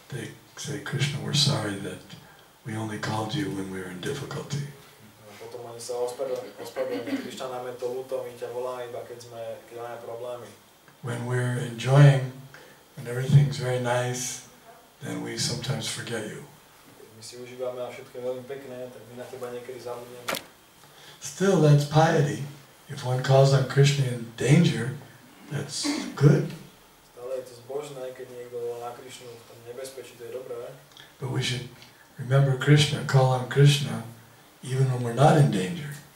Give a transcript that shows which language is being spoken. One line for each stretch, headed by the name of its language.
English: They say, Krishna, we're sorry that we only called you when we were in difficulty.
Slovak: Oni sa ospravedlňujú, Krišna, nám je to ľúto, my ťa voláme iba keď máme problémy.
English: When we're enjoying and everything's very nice, then we sometimes forget you.
Slovak: Keď my si užívame a všetko je veľmi pekné, tak my na teba niekedy zabudneme.
English: Still, that's piety. If one calls on Krishna in danger, that's good.
Slovak: Stále je to zbožné, keď niekto volá na Krišnu v tom nebezpečí, to je dobré.
English: But we should remember Krishna, call on Krishna even when we're not in danger.